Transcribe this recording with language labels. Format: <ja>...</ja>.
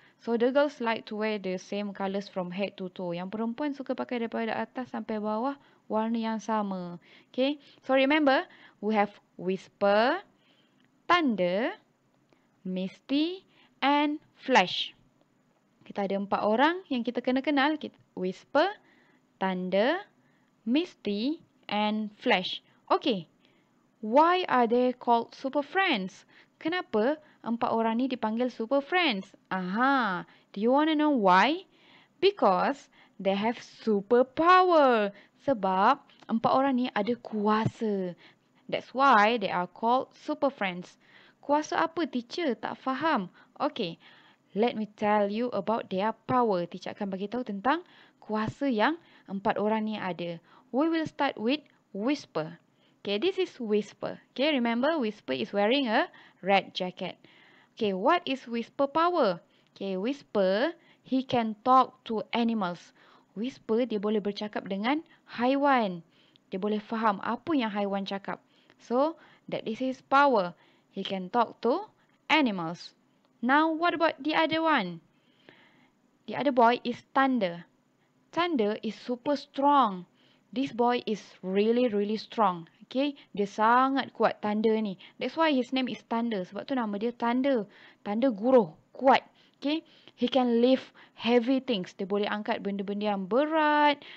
<en>So, the girls like to wear the same colours from head to toe.</en> <ms>Yang perempuan suka pakai daripada atas sampai bawah warna yang sama.</ms> <en>Okay, so remember, we have Whisper, Thunder, Misty and Flash.</en> <ms>Kita ada empat orang yang kita kena kenal.</ms> <en>Whisper, Thunder, Misty and Flash. Okay, why are they called Super Friends?</en> <ms>Kenapa empat orang ni dipanggil Super Friends?</ms> <en>Aha, do you want to know why? Because they have super power.</en> <ms>Sebab empat orang ni ada kuasa.</ms> <en>That's why they are called Super Friends.</en> <ms>Kuasa apa, teacher? Tak faham.</ms> <en>Okay, let me tell you about their power.</en> <ms>Teacher akan beritahu tentang kuasa yang empat orang ni ada.</ms> <en>We will start with Whisper. Okay, this is Whisper. Okay, remember Whisper is wearing a red jacket. Okay, what is Whisper power? Okay, Whisper, he can talk to animals.</en> <ms>Whisper, dia boleh bercakap dengan haiwan. Dia boleh faham apa yang haiwan cakap.</ms> <en>So, that is his power. He can talk to animals. Now, what about the other one? The other boy is Thunder. Thunder is super strong. This boy is really, really strong. Okay?</en> <ms>Dia sangat kuat, Thunder ni.</ms> <en>That's why his name is Thunder.</en> <ms>Sebab tu nama dia Thunder. Thunder guruh, kuat. Okay?</ms> <en>He can lift heavy things.</en> <ms>Dia boleh angkat benda-benda yang berat.</ms>